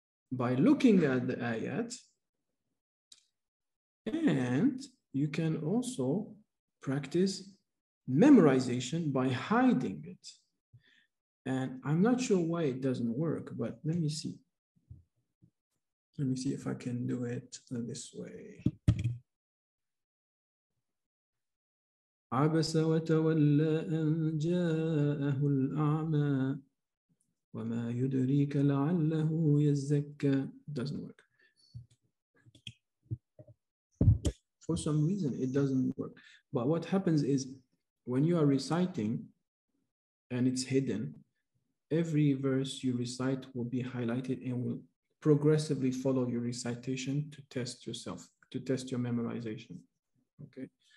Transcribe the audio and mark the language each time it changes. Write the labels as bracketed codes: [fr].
[en] by looking at the ayat, and you can also practice memorization by hiding it. And I'm not sure why it doesn't work, but let me see. Let me see if I can do it this way. [ar] عبس وتولى أن جاءه الأعمى وما يدريك لعله يزكى. [en] Doesn't work. For some reason, it doesn't work. But what happens is when you are reciting and it's hidden, every verse you recite will be highlighted and will progressively follow your recitation to test yourself, to test your memorization. Okay.